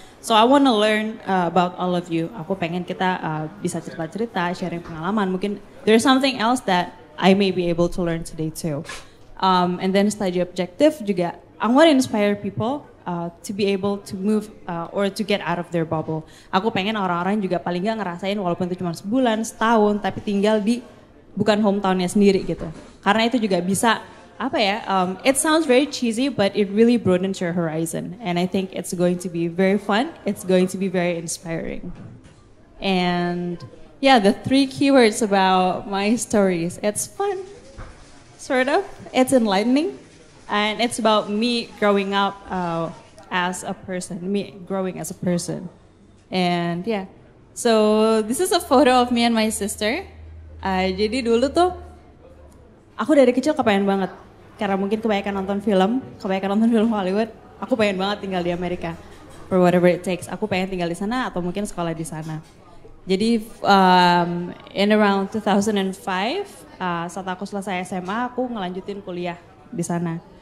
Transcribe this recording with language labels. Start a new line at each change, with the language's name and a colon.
English: So I want to learn about all of you.
Indonesian: Aku pengen kita bisa cerita-cerita, sharing pengalaman. Mungkin
English: there's something else that I may be able to learn today too. And then study objective juga. I want to inspire people to be able to move or to get out of their bubble.
Indonesian: Aku pengen orang-orang juga paling gak ngerasain walaupun itu cuma sebulan, setahun, tapi tinggal di bukan hometownnya sendiri gitu. Karena itu juga bisa, apa ya,
English: it sounds very cheesy, but it really broadens your horizon. And I think it's going to be very fun. It's going to be very inspiring. And yeah, the 3 keywords about my stories. It's fun, sort of. It's enlightening. And it's about me growing up as a person, me growing as a person. And yeah, so this is a photo of me and my sister.
Indonesian: Jadi dulu tuh, aku dari kecil kepengen banget. Karena mungkin kebanyakan nonton film Hollywood, aku pengen banget tinggal di Amerika.
English: For whatever it takes,
Indonesian: aku pengen tinggal di sana atau mungkin sekolah di sana. Jadi
English: in around 2005,
Indonesian: saat aku selesai SMA, aku ngelanjutin kuliah di sana.